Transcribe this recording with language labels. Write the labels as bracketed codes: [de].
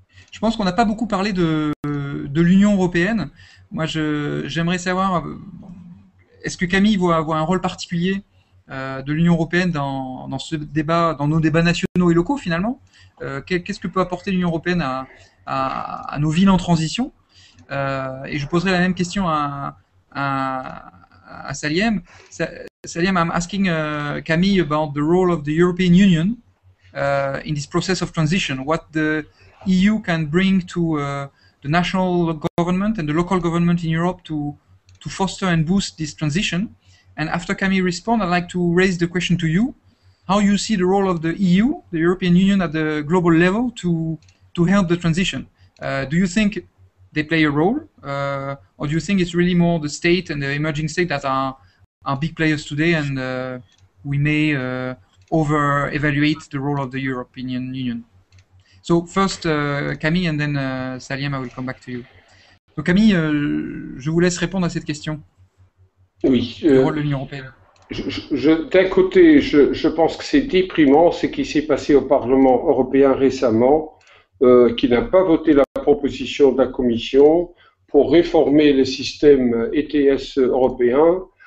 [fr] Je pense qu'on n'a pas beaucoup parlé de l'Union européenne. Moi, j'aimerais savoir, est-ce que Camille voit un rôle particulier de l'Union européenne dans ce débat, dans nos débats nationaux et locaux finalement? Qu'est-ce que peut apporter l'Union européenne à nos villes en transition? Et je poserai la même question à Saliem. [en] Saliem, I'm asking Camille about the role of the European Union in this process of transition. What the EU can bring to the national government and the local government in Europe to foster and boost this transition? And after Camille responds, I'd like to raise the question to you. How you see the role of the EU, the European Union, at the global level to help the transition? Do you think they play a role? Or do you think it's really more the state and the emerging state that are big players today and we may over-evaluate the role of the European Union? So first Camille and then Saliem, I will come back to you. [fr] Camille, je vous laisse répondre à cette question. Oui. Le rôle de l'Union européenne. D'un côté, je pense que c'est déprimant ce qui s'est passé au Parlement européen récemment, qui n'a pas voté la proposition de la Commission pour réformer le système ETS européen.